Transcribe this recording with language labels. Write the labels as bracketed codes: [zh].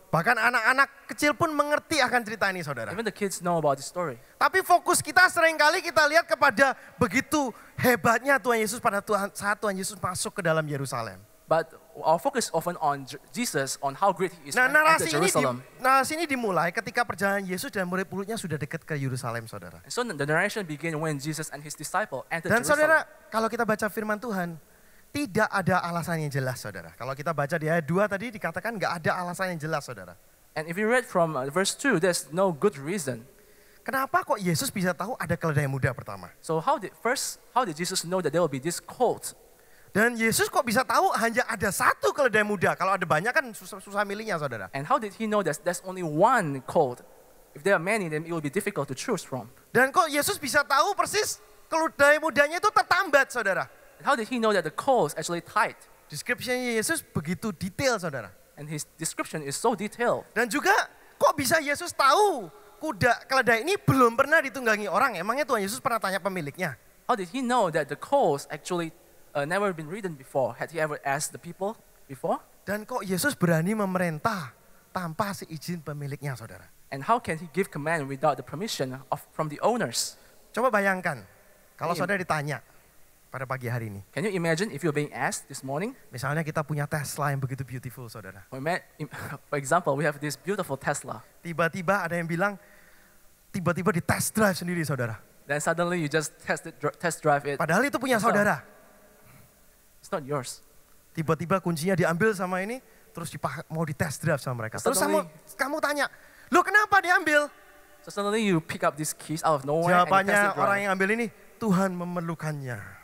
[id] Bahkan anak-anak kecil pun mengerti akan cerita ini, saudara. [en] Even the kids know about this story. [id] Tapi fokus kita seringkali kita lihat kepada begitu hebatnya Tuhan Yesus pada saat Tuhan Yesus masuk ke dalam Yerusalem. [en] But our focus often on Jesus, on how great he is in Jerusalem. [id] Nah, narasi ini dimulai ketika perjalanan Yesus dan murid-muridnya sudah dekat ke Yerusalem, saudara. [en] So the narration begins when Jesus and his disciple entered Jerusalem. [id] Dan saudara, kalau kita baca firman Tuhan, tidak ada alasan yang jelas, saudara. Kalau kita baca di ayat 2 tadi dikatakan enggak ada alasan yang jelas, saudara. [en] And if you read from verse 2, there's no good reason. [id] Kenapa kok Yesus bisa tahu ada keledai muda pertama? [en] So how did Jesus know that there will be this colt? [id] Dan Yesus kok bisa tahu hanya ada satu keledai muda? Kalau ada banyak kan susah milihnya, saudara. [en] And how did he know that there's only one colt? If there are many, then it will be difficult to choose from. [id] Dan kok Yesus bisa tahu persis keledai mudanya itu tertambat, saudara? [en] How did he know that the colt is actually tied? [id] Description-nya Yesus begitu detail, saudara. [en] And his description is so detailed. [id] Dan juga kok bisa Yesus tahu kuda keledai ini belum pernah ditunggangi orang? Emangnya Tuhan Yesus pernah tanya pemiliknya? [en] How did he know that the colt actually never been ridden before? Had he ever asked the people before? [id] Dan kok Yesus berani memerintah tanpa seizin pemiliknya, saudara? [en] And how can he give command without the permission of from the owners? [id] Coba bayangkan kalau saudara ditanya pada pagi hari ini. [en] Can you imagine if you're being asked this morning? [id] Misalnya kita punya Tesla yang begitu beautiful, saudara. [en] For example, we have this beautiful Tesla. [id] Tiba-tiba ada yang bilang, tiba-tiba di test drive sendiri, saudara. [en] Then suddenly you just test drive it. [id] Padahal itu punya saudara. [en] It's not yours. [id] Tiba-tiba kuncinya diambil sama ini, terus mau di test drive sama mereka. Terus kamu tanya, lo kenapa diambil? [en] So suddenly you pick up these keys out of nowhere. [id] Jawabannya orang yang ambil ini, Tuhan memerlukannya.